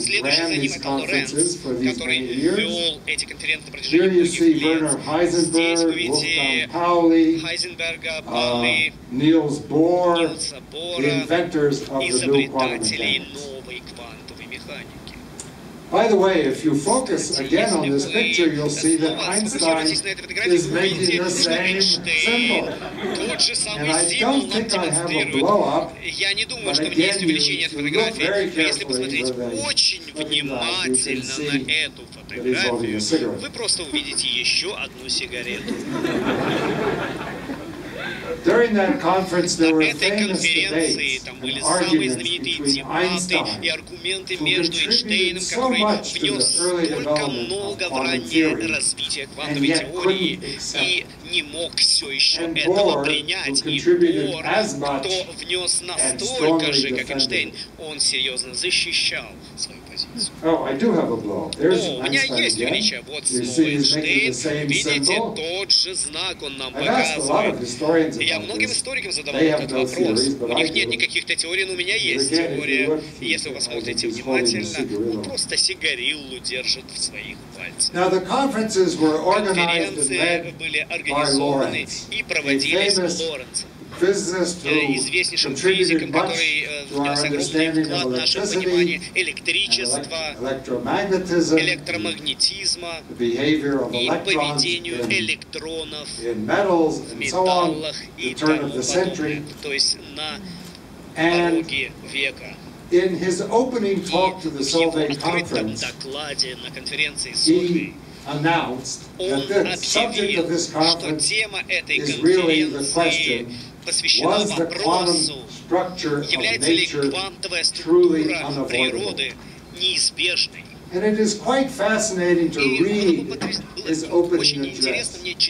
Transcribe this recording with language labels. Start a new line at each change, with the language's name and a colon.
Russian: Следующий за ним — это Лоренц, который вел эти конференции на протяжении многих лет. Здесь вы видите Хайзенберга, Паули, Нильса Бора, изобретателей новой квантовой механики.
English: By the way, if you focus again on this picture, you'll see that Einstein is making the same symbol. And I don't think I have a blow-up, but again, you look very carefully,
Russian: очень внимательно на эту фотографию, вы просто увидите еще одну сигарету.
English: During that conference, there were famous debates and arguments between Einstein, who contributed so much to the early development of quantum theory, and yet couldn't accept. And Bohr, who contributed as much and strongly defended, he seriously defended his position. Oh, I do have a blow. There's Einstein again. You see, he's making the same symbol. I've asked a lot of historians about this.
Russian: Многим историкам задавали этот вопрос. У них нет никаких-то теорий, но у меня есть теория. Если вы посмотрите внимательно, он просто сигариллу держит в своих пальцах. Конференции были организованы и проводились Лоренцем, известнейшим физиком, который внес огромный вклад в наше понимание электричества, электромагнетизма и поведению электронов в металлах и тому подобное, то есть на пороге века.
English: In his opening talk to the Solvay conference,
Russian: на конференции Solvay, он объявил, что тема этой конференции посвящена вопросу, является ли квантовая структура природы неизбежной.
English: And it is quite fascinating to read his opening address.